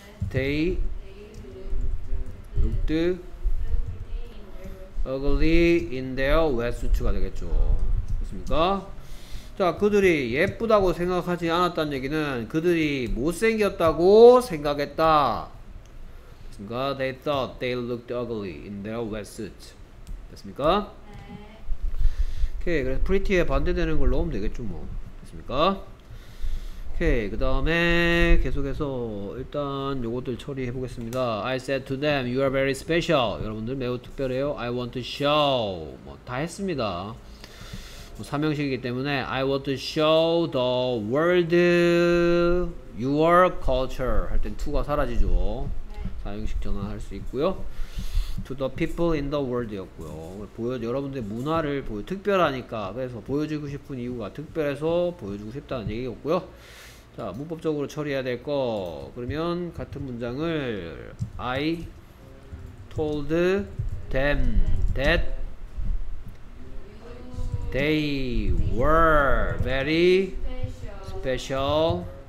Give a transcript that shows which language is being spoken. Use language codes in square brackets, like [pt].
[en] They looked ugly in their wetsuits가 되겠죠. [ko] 그렇습니까? 자, 그들이 예쁘다고 생각하지 않았다는 얘기는 그들이 못생겼다고 생각했다. 그렇습니까? [en] They thought they looked ugly in their wetsuits. [ko] 됐습니까? 오케이, 그래서 pretty에 반대되는 걸 넣으면 되겠죠 뭐. 됐습니까? 오케이, 그 다음에 계속해서 일단 요것들 처리해 보겠습니다. [en] I said to them, you are very special. [ko] 여러분들 매우 특별해요. [en] I want to show. [ko] 뭐 다 했습니다. 삼형식이기 때문에 [en] I want to show the world your culture [ko] 할 땐 to가 사라지죠. 네. 삼형식 전환할 수 있고요. [en] To the people in the world 였고요. [ko] 여러분들의 문화를 특별하니까 그래서 보여주고 싶은 이유가 특별해서 보여주고 싶다는 얘기였고요. 자, 문법적으로 처리해야 될 거. 그러면 같은 문장을 [en] I told them that they were very special.